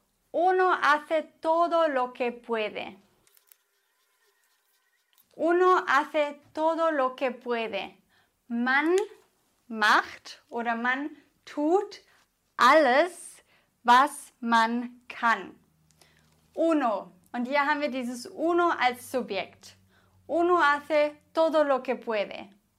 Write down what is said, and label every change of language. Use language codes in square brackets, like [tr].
[es] Uno hace todo lo que puede. Uno hace todo lo que puede. [de] Man macht oder man tut alles, was man kann. Uno. Und hier haben wir dieses Uno als Subjekt. [es] Uno hace todo lo que puede.